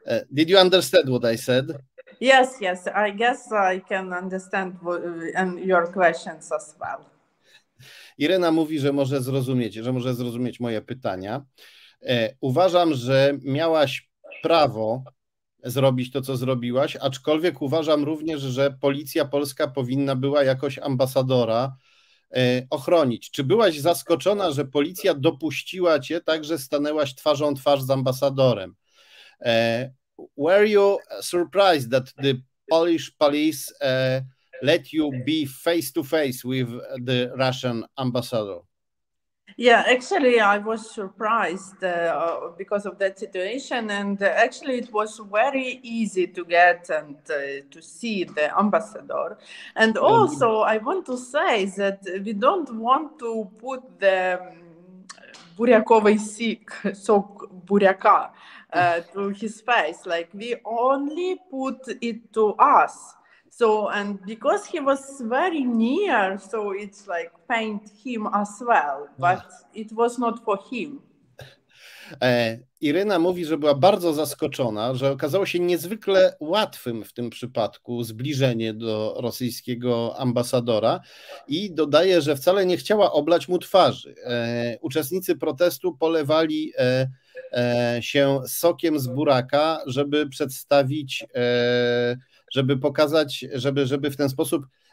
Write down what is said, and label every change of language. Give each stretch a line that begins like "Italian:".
English: Did you understand what I said? Yes, yes. I guess I can understand your questions as well.
Polish: Iryna mówi, że może zrozumieć moje pytania. Uważam, że miałaś prawo zrobić to, co zrobiłaś, aczkolwiek uważam również, że policja polska powinna była jakoś ambasadora ochronić. Czy byłaś zaskoczona, że policja dopuściła cię tak, że stanęłaś twarzą twarz z ambasadorem?
English: Were you surprised that the Polish police let you be face to face with the Russian ambassador? Yeah, actually, I was surprised because of that situation. And actually, it was very easy to get and to see the ambassador. And also, I want to say that we don't want to put the Buryakovy Sikh, so Buryaka, to his face. Like, we only put it to us. So, and because he was very near, so it's like paint him as well, but it was not for him.
Polish: Iryna mówi, że była bardzo zaskoczona, że okazało się niezwykle łatwym w tym przypadku zbliżenie do rosyjskiego ambasadora i dodaje, że wcale nie chciała oblać mu twarzy. Uczestnicy protestu polewali się sokiem z buraka, żeby przedstawić, żeby pokazać, żeby w ten sposób